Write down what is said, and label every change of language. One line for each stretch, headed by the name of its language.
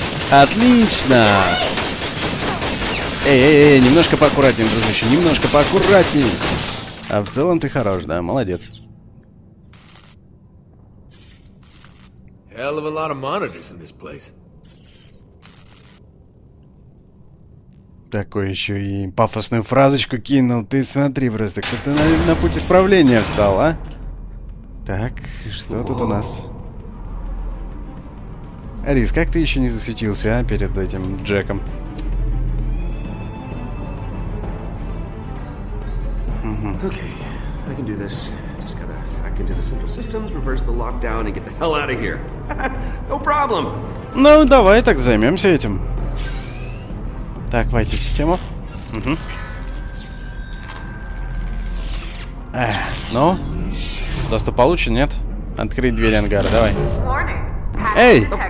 Russian: Отлично! Немножко поаккуратнее, дружище, немножко поаккуратнее. А в целом ты хорош, да, молодец.
English: Hell of a lot of monitors in this place.
Russian: Такой еще и пафосную фразочку кинул. Ты смотри просто, кто-то на путь исправления встал, а? Так, что тут у нас? Рис, как ты еще не засветился, а, перед этим Джеком?
English: Okay, I can do this. Just gotta hack into the central systems, reverse the lockdown and get the hell out of here. No problem.
Russian: Ну, давай так займемся этим. Так, войти в систему. Угу. Ну? Доступ получен, нет? Открыть двери ангара, давай. Эй!